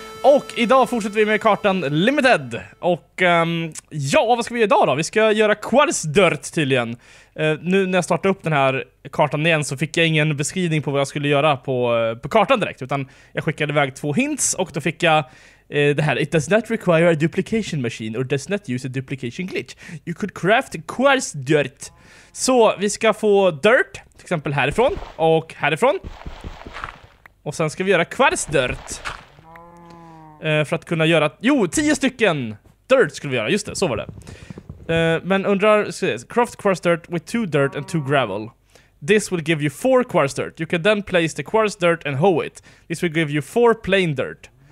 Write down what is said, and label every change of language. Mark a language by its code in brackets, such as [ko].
[sv] Och idag fortsätter vi med kartan Limited. Och ja, vad ska vi göra idag då? Vi ska göra Quartz Dirt tydligen. Nu när jag startade upp den här kartan igen så fick jag ingen beskrivning på vad jag skulle göra på kartan direkt. Utan jag skickade iväg två hints och då fick jag det här. [en] It does not require a duplication machine or does not use a duplication glitch. You could craft Quartz Dirt. [sv] Så vi ska få dirt, till exempel härifrån och härifrån. Och sen ska vi göra Quartz Dirt. För att kunna göra... Jo, 10 stycken dirt skulle vi göra. Just det, så var det. Men undrar... [en] Craft quartz dirt with 2 dirt and 2 gravel. This will give you 4 quartz dirt. You can then place the quartz dirt and hoe it. This will give you 4 plain dirt.